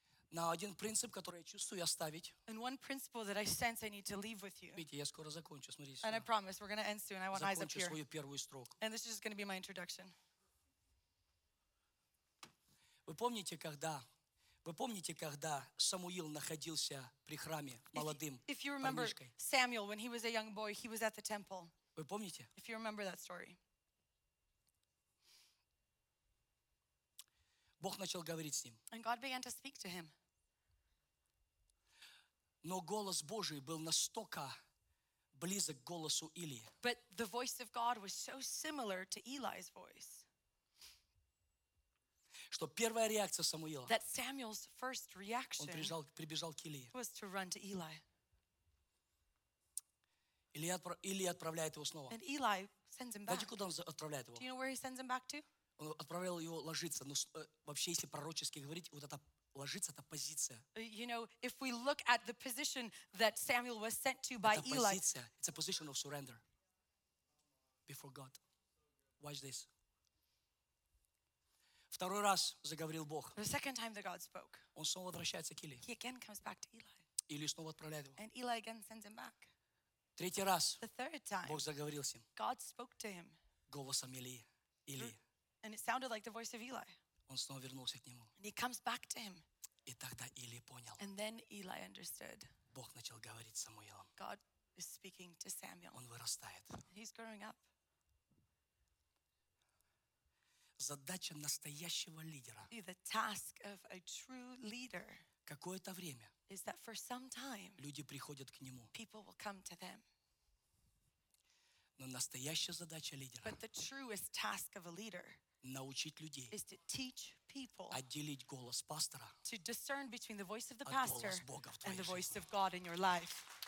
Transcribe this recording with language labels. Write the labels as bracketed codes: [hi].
[ru] На один принцип, который я чувствую оставить. [en] And one principle that I sense I need to leave with you. [ru] Видите, я скоро закончу, смотрите. [en] And I promise, we're going to end soon. I want eyes up here. [ru] Закончу свою первую строку. [en] And this is just going to be my introduction. [ru] Вы помните, когда Самуил находился при храме молодым парнишкой? [en] If you remember Samuel, when he was a young boy, he was at the temple. [ru] Вы помните? [en] If you remember that story. [ru] Бог начал говорить с ним. [en] And God began to speak to him. [ru] Но голос Божий был настолько близок к голосу Илии. [en] But the voice of God was so similar to Eli's voice. [ru] Что первая реакция Самуила? [en] That Samuel's first reaction. [ru] Он прибежал к Илии. [en] Was to run to Eli. [ru] Илия отправляет его снова. [en] And Eli sends him back. [ru] Знаете, куда он отправляет его? [en] Do you know where he sends him back to? [ru] Он отправлял его ложиться. Но вообще, если пророчески говорить, вот это ложиться, это позиция. [en] You know, if we look at the position that Samuel was sent to by Eli. [ru] Это позиция. [en] It's a position of surrender before God. Watch this. [ru] Второй раз заговорил Бог. [en] The second time that God spoke. [ru] Он снова возвращается к Илии. [en] He again comes back to Eli. [ru] Или снова отправляет его. [en] And Eli again sends him back. [ru] Третий раз. [en] The third time. [ru] Бог заговорил с ним. [en] God spoke to him. [ru] Голосом Илии. [en] And it sounded like the voice of Eli. [ru] Он снова вернулся к нему. [en] And he comes back to him. [ru] И тогда Илия понял. [en] And then Eli understood. [ru] Бог начал говорить с Самуилом. [en] God is speaking to Samuel. [ru] Он вырастает. [en] He's growing up. [ru] Задача настоящего лидера. [en] The task of a true leader. [ru] Какое-то время. [en] Is that for some time. [ru] Люди приходят к нему. [en] People will come to them. [ru] Но настоящая задача лидера. [en] But the truest task of a leader. [ru] Научить людей. [en] Is to teach people. [ru] Отделить голос пастора. [en] To discern between the voice of the pastor. [ru] От голоса Бога в твоей [en] and the [ru] жизни. [en] Voice of God in your life.